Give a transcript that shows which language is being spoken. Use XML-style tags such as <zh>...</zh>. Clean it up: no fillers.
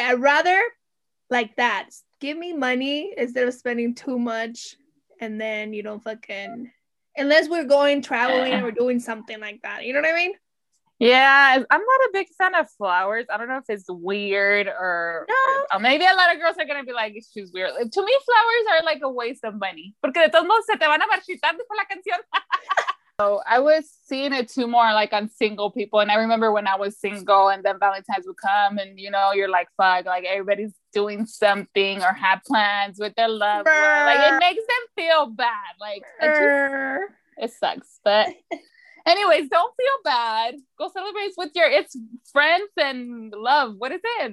<en>I'd rather like that. Give me money instead of spending too much. And then you don't fucking, unless we're going traveling or doing something like that. You know what I mean? Yeah. I'm not a big fan of flowers. I don't know if it's weird or maybe a lot of girls are going to be like, she's weird. To me, flowers are like a waste of money.</en> <es>Porque de todos modos se te van a marchitar por la canción.</es> <en>So I was seeing it too more like on single people. And I remember when I was single and then Valentine's would come and, you know, you're like, fuck, like everybody's doing something or have plans with their love. Like, it makes them feel bad. Like, it sucks. But anyways, don't feel bad. Go celebrate with it's friends and love. What is it?</en>